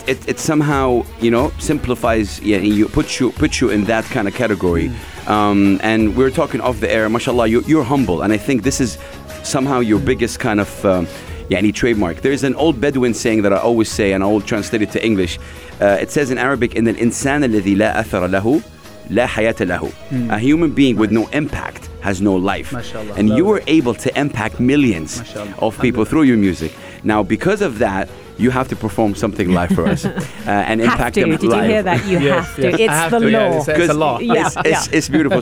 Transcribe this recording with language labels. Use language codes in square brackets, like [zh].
[en] It somehow, you know, simplifies, yeah, you put you in that kind of category. Mm. And we were talking off the air, mashallah, you're humble. And I think this is somehow your biggest kind of, any trademark. There's an old Bedouin saying that I always say, and I'll translate it to English. It says in Arabic, [ar] إن الإنسان الذي لا أثر له لا حياة له. [en] A human being with no impact has no life. Mashallah. And you were able to impact millions mashallah. Of people through your music. Now, because of that, you have to perform something live for us and impact them live. Did you hear that? You have to. It's the law. Yeah, it's a law. Yeah. It's beautiful.